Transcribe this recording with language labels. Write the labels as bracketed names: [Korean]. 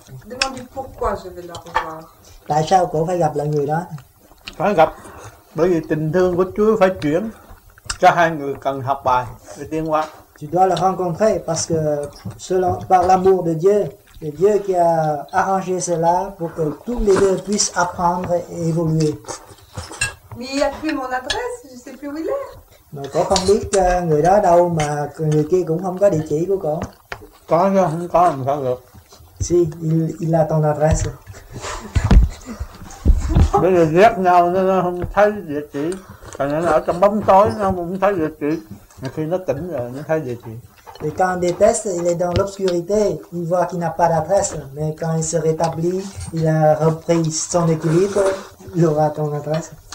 [French] Demande pourquoi je vais la revoir. [Vietnamese] Tại sao cô phải gặp lại người đó? Phải gặp bởi vì tình thương của Chúa phải chuyển cho hai người cần học bài để tiến hóa. [French] Tu dois le rencontrer parce que selon, par l'amour de Dieu, c'est Dieu qui a arrangé cela pour que tous les deux puissent apprendre et évoluer. Mais il n'y a plus mon adresse, je ne sais plus où il est. Mais [Vietnamese] cô không biết người đó đâu mà người kia cũng không có địa chỉ của cô. Có chứ, không có làm sao được. [French] Si, il a ton adresse. [Vietnamese] Bây giờ ghét nhau nên nó không thấy địa chỉ. Còn nó ở trong bóng tối nó không thấy địa chỉ. Khi nó tỉnh rồi, nó thấy địa chỉ. [French] Et quand il déteste, il est dans l'obscurité, il voit qu'il n'a pas d'adresse. Mais quand il se rétablit, il a repris son équilibre, il aura ton adresse.